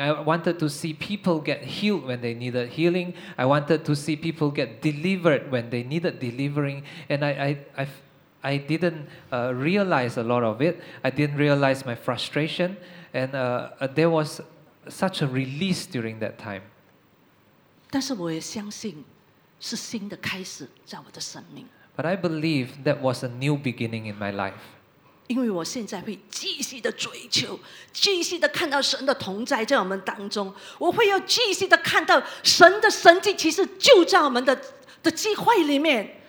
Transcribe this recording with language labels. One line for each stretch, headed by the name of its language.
English: I wanted to see people get healed when they needed healing. I wanted to see people get delivered when they needed delivering. And I didn'trealize a lot of it. I didn't realize my frustration. And there was such a release during that time.
Chinese: 但是我也相信是新的开始在我的生命。
English: But I believe that was a new beginning in my life.
Chinese: 因为我现在会继续的追求，继续的看到神的同在在我们当中，我会要继续的看到神的神迹其实就在我们的机会里面。